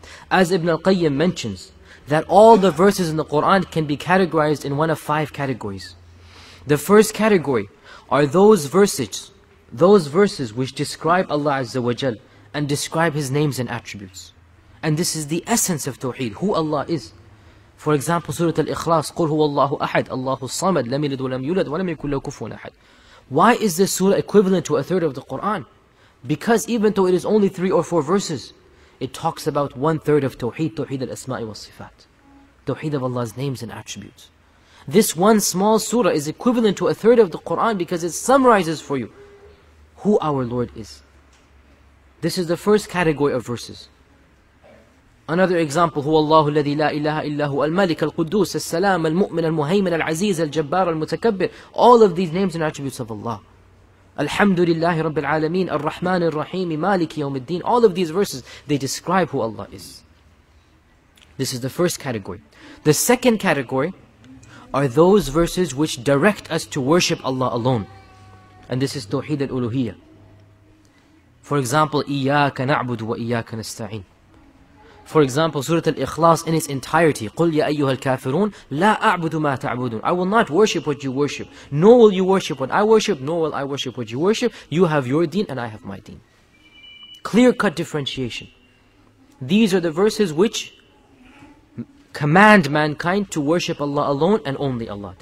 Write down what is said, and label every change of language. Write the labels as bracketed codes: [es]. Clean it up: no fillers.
[en] As Ibn al-Qayyim mentions, that all the verses in the Quran can be categorized in one of five categories. The first category are those verses which describe Allah Azza wa Jal and describe His names and attributes. And this is the essence of Tawheed, who Allah is. For example, Surah Al-Ikhlas, [ar] قُلْ هُوَ اللَّهُ أَحَدْ اللَّهُ الصَّمَدْ لَمْ يَلِدْ وَلَمْ يُولَدْ وَلَمْ يَكُنْ لَهُ كُفُوًا أَحَدٍ. [en] Why is this surah equivalent to a third of the Quran? Because even though it is only three or four verses, it talks about one third of Tawheed, Tawheed al-Asma'i wa sifat, Tawheed of Allah's names and attributes. This one small surah is equivalent to a third of the Quran because it summarizes for you who our Lord is. This is the first category of verses. Another example, [ar] هو الله الذي لا إله إلا هو الملك القدوس السلام المؤمن المهيمن العزيز الجبار المتكبر. [en] All of these names and attributes of Allah. [ar] الحمد لله رب العالمين الرحمن الرحيم مالك يوم الدين. [en] All of these verses, they describe who Allah is. This is the first category. The second category are those verses which direct us to worship Allah alone. And this is توحيد الألوهية. For example, [ar] إياك نعبد وإياك نستعين. [en] For example, Surah Al-Ikhlas in its entirety, [ar] قُلْ يَا أَيُّهَا الْكَافِرُونَ لَا أَعْبُدُ مَا تَعْبُدُونَ. [en] I will not worship what you worship, nor will you worship what I worship, nor will I worship what you worship. You have your deen and I have my deen. Clear-cut differentiation. These are the verses which command mankind to worship Allah alone and only Allah.